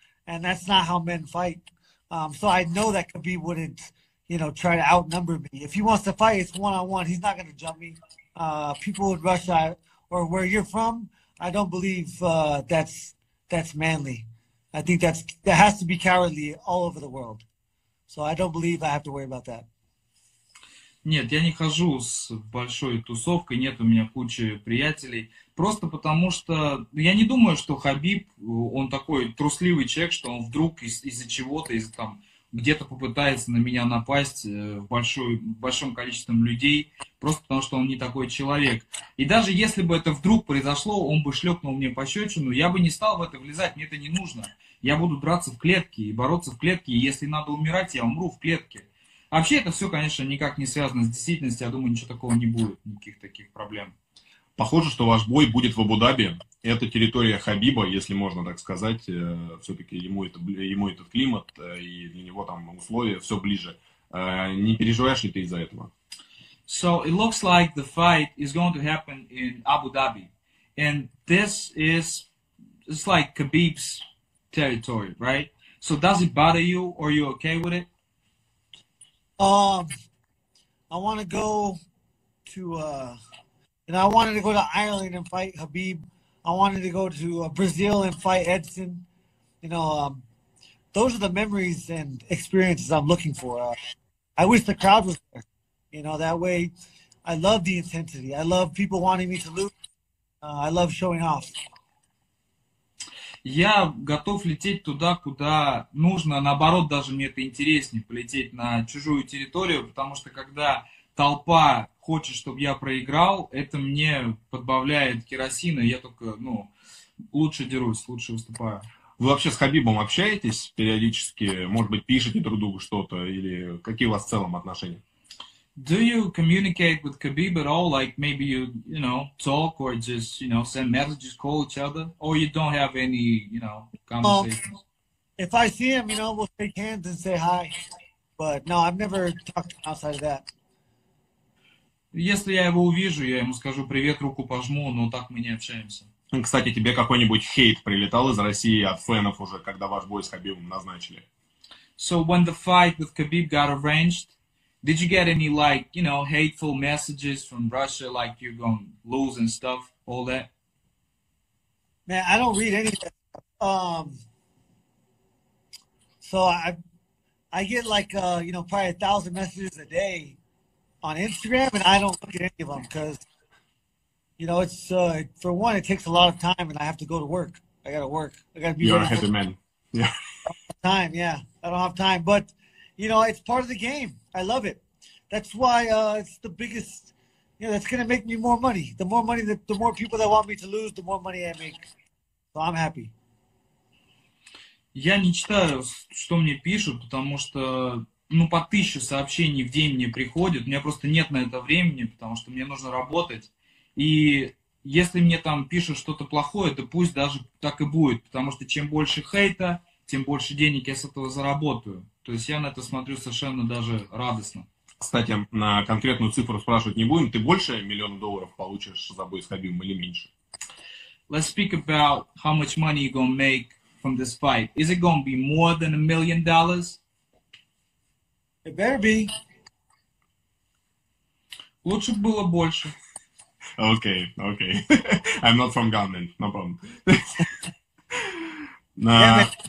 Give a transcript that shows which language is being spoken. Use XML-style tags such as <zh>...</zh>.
<en>And that's not how men fight. So I know that Khabib wouldn't, you know, try to outnumber me. If he wants to fight, it's one-on-one. He's not going to jump me. People in Russia or where you're from, I don't believe that's manly. I think that has to be cowardly all over the world. So I don't believe I have to worry about that.</en> <ru>Нет, я не хожу с большой тусовкой. Нет у меня кучи приятелей. Просто потому что я не думаю, что Хабиб, он такой трусливый человек, что он вдруг из-за чего-то, из-за там где-то попытается на меня напасть большим количеством людей, просто потому что он не такой человек. И даже если бы это вдруг произошло, он бы шлепнул мне пощечину, я бы не стал в это влезать, мне это не нужно. Я буду драться в клетке и бороться в клетке, и если надо умирать, я умру в клетке. Вообще это все, конечно, никак не связано с действительностью, я думаю, ничего такого не будет, никаких таких проблем. Похоже, что ваш бой будет в Абу-Даби. Это территория Хабиба, если можно так сказать. Все-таки ему этот климат, и для него там условия все ближе. Не переживаешь ли ты из-за этого?</ru> <en>So it looks like the fight is going to happen in Abu Dhabi. And this is it's like Khabib's territory, right? So does it bother you? Or are you okay with it? I want to go to... And I wanted to go to Ireland and fight Khabib. I wanted to go to Brazil and fight Edson. You know, those are the memories and experiences I'm looking for. I wish the crowd was there. You know, that way, I love the intensity. I love people wanting me to lose. I love showing off.</en> <ru>Я готов лететь туда, куда нужно. Наоборот, даже мне это интереснее, полететь на чужую территорию, потому что когда толпа хочет, чтобы я проиграл, это мне подбавляет керосина, я только, ну, лучше дерусь, лучше выступаю. Вы вообще с Хабибом общаетесь периодически? Может быть, пишете друг другу что-то? Или какие у вас в целом отношения?</ru> <en>Do you communicate with Khabib at all? Like, maybe you, you know, talk or just, you know, send messages, call each other? Or you don't have any, you know, conversations? If I see him, you know, we'll shake hands and say hi. But no, I've never talked outside of that.</en> <ru>Если я его увижу, я ему скажу привет, руку пожму, но так мы не общаемся. Кстати, тебе какой-нибудь хейт прилетал из России от фэнов уже, когда ваш бой с Хабибом назначили?</ru> <en>So when the fight with Khabib got arranged, did you get any, like, you know, hateful messages from Russia, like you're going to lose and stuff, all that? Man, I don't read anything. So I get, like, you know, probably 1,000 messages a day on Instagram, and I don't look at any of them because, you know, it's for one, it takes a lot of time, and I have to go to work. I got to work. I got to be You're a heavy man. Yeah. Time, yeah. I don't have time, but, you know, it's part of the game. I love it. That's why it's the biggest, you know, that's going to make me more money. The more money, the more people that want me to lose, the more money I make. So I'm happy.</en> <ru>Я не читаю, что мне пишут, потому что, ну, по 1000 сообщений в день мне приходит. У меня просто нет на это времени, потому что мне нужно работать. И если мне там пишут что-то плохое, то пусть даже так и будет, потому что чем больше хейта, тем больше денег я с этого заработаю. То есть я на это смотрю совершенно даже радостно. Кстати, на конкретную цифру спрашивать не будем. Ты больше миллиона долларов получишь за бой с Хабибом или меньше?</ru> <en>Let's speak about how much money you're gonna make from this fight. Is it gonna be more than $1 million? It better be.</en> <ru>Лучше было больше.</ru> <en>Okay, okay. I'm not from government, no problem.</en>